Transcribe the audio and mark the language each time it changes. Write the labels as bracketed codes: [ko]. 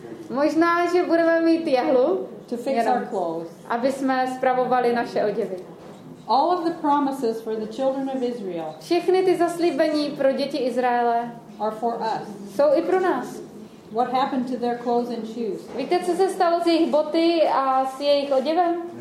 [cs] Možná, že budeme mít jehlu. [en] To fix our clothes. [cs] Aby jsme spravovali naše oděvy. [en] All of the promises for the children of Israel. [cs] Všechny ty zaslíbení pro děti Izraele. [en] Are for us. [cs] Jsou i pro nás. [en] What happened to their clothes and shoes? [cs] Víte, co se stalo s jejich boty a s jejich oděvem?